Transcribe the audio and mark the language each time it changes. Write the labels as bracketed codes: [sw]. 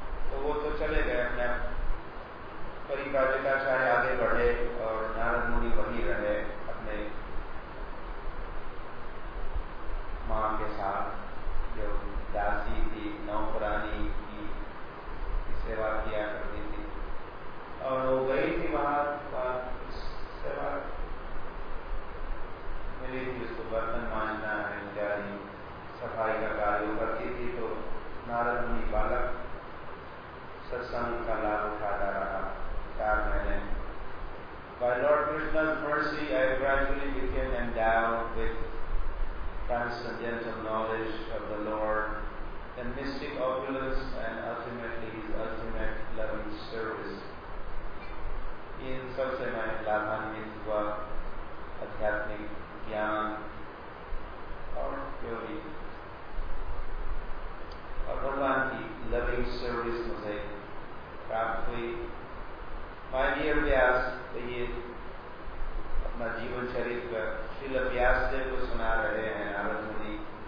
[hi] तो वो तो चले गए अपने परिपाटिकाचार्य आगे बढ़े और नारद मुनि वही रहे अपने मां के साथ, जो दासी थी नौकरानी की सेवा किया करती थी, और वो गई थी वहां सेवा मिली थी उसको, बर्तन मांझना है इत्यादि सफाई का कार्य करती थी। तो नारद मुनि बालक सत्संग का लाभ उठाता रहा 4 महीने। [en] By Lord Krishna's mercy, I gradually became endowed with transcendental knowledge of the Lord, the mystic opulence, and ultimately His ultimate loving service. [hi] इन सबसे मैं लाभान्वित हुआ, आध्यात्मिक ज्ञान और योगी और भगवान की [en] loving service [hi] मुझे प्राप्त हुई। [en] my dear [hi] व्यास, तो ये अपना जीवन चरित्र श्रील व्यास देव को सुना रहे हैं नारद मुनि।